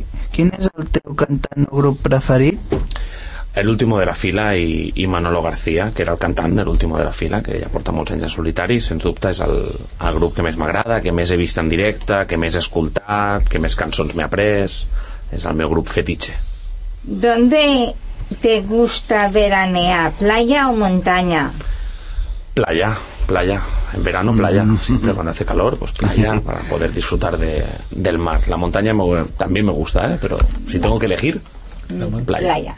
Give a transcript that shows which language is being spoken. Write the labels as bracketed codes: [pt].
[es] ¿Quién es [ca] el teu cantant o grup preferit? El último de la fila y Manolo García, que era el cantant del último de la fila, que ja porta molts anys en solitari, sens dubte és el grup que més m'agrada, que més he vist en directe, que més he escoltat, que més cançons m'he après. És el meu grup fetitxe. [es] ¿Dónde te gusta veranear, playa o montaña? Playa, playa. En verano, playa. Mm-hmm. Siempre cuando hace calor, pues playa, para poder disfrutar del mar. La montaña también me gusta, ¿eh? Pero si tengo que elegir, playa.